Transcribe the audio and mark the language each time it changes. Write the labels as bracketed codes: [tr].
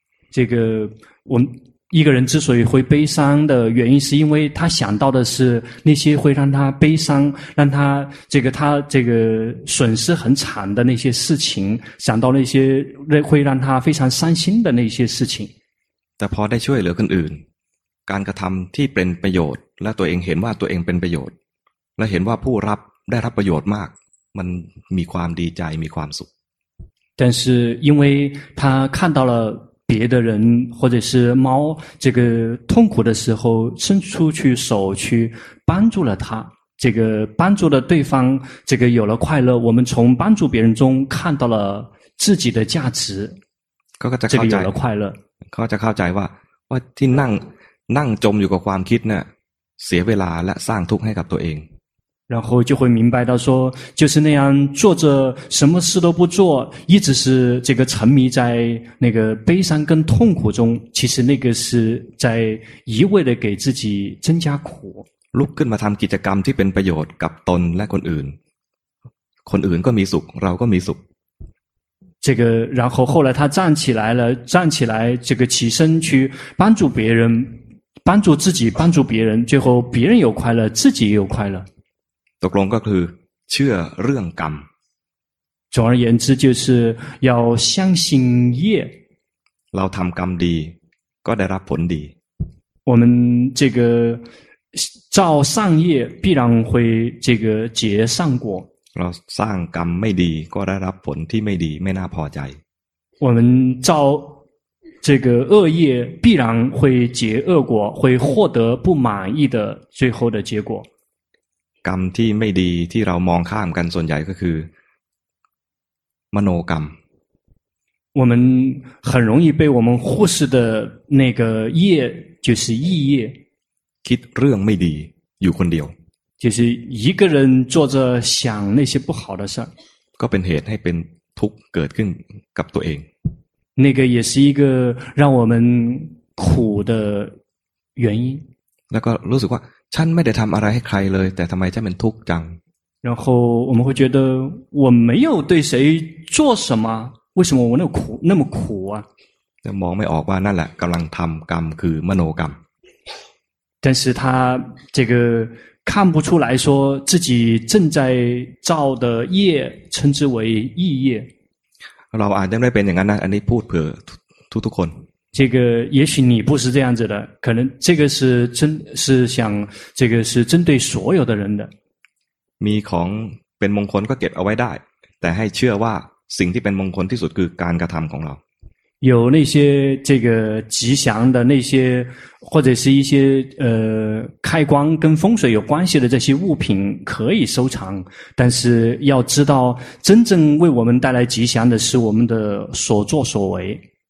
[zh] 这个我们一个人之所以会悲伤的原因是因为他想到的是那些会让他悲伤让他这个他这个损失很惨的那些事情想到那些会让他非常伤心的那些事情 [th] แต่พอได้ช่วยเหลือคนอื่นการกระทำที่เป็นประโยชน์และตัวเองเห็นว่าตัวเองเป็นประโยชน์และเห็นว่าผู้รับได้รับประโยชน์มากมันมีความดีใจมีความสุข [zh] 但是因为他看到了别的人或者是猫这个痛苦的时候伸出去手去帮助了他这个帮助了对方，这个有了快乐，我们从帮助别人中看到了自己的价值，这个有了快乐。 [th] เขาจะเข้าใจว่าว่าที่นั่งนั่งจมอยู่กับความคิดเนี่ยเสียเวลาและสร้างทุกข์ให้กับตัวเอง [zh] 然后就会明白到说，就是那样坐着什么事都不做，一直是这个沉迷在那个悲伤跟痛苦中，其实那个是在一味的给自己增加苦。 [th] ลุกขึ้นมาทำกิจกรรมที่เป็นประโยชน์กับตนและคนอื่นคนอื่นก็มีสุขเราก็มีสุข [zh] 这个然后后来他站起来了站起来这个起身去帮助别人帮助自己帮助别人最后别人有快乐自己也有快乐 [th] ตกลงก็คือเชื่อเรื่องกรรม [zh] 总而言之就是要相信业 [th] เราทำกรรมดีก็ได้รับผลดี [zh] 我们这个造善业必然会这个结善果 [th] เราสร้างกรรมไม่ดีก็ได้รับผลที่ไม่ดีไม่น่าพอใจ [zh] 我们造这个恶业必然会结恶果会获得不满意的最后的结果 [th] กรรมที่ไม่ดีที่เรามองข้ามกันส่วนใหญ่ก็คือมโนกรรม [zh] 我们很容易被我们忽视的那个业就是意业 [th] คิดเรื่องไม่ดีอยู่คนเดียว [zh] 就是一个人坐着想那些不好的事 [th] ก็เป็นเหตุให้เป็นทุกข์เกิดขึ้นกับตัวเอง [zh] 那个也是一个让我们苦的原因 [th] แล้วก็รู้สึกว่าฉันไม่ได้ทำอะไรให้ใครเลยแต่ทำไมฉันเป็นทุกข์จัง [zh] 然后我们会觉得我没有对谁做什么为什么我那么苦那么苦啊 [th] แต่มองไม่ออกว่านั่นแหละกำลังทำกรรมคือมโนกรรม [zh] 但是他这个看不出来说自己正在造的业称之为意业 [th] เราอาจจะไม่เป็นอย่างนั้นนะอันนี้พูดเผื่อทุกๆคน [zh] 这个也许你不是这样子的可能这个是真是想这个是针对所有的人的 [th] มีของเป็นมงคลก็เก็บเอาไว้ได้แต่ให้เชื่อว่าสิ่งที่เป็นมงคลที่สุดคือการกระทำของเรา [zh] 有那些这个吉祥的那些或者是一些开光跟风水有关系的这些物品可以收藏但是要知道真正为我们带来吉祥的是我们的所作所为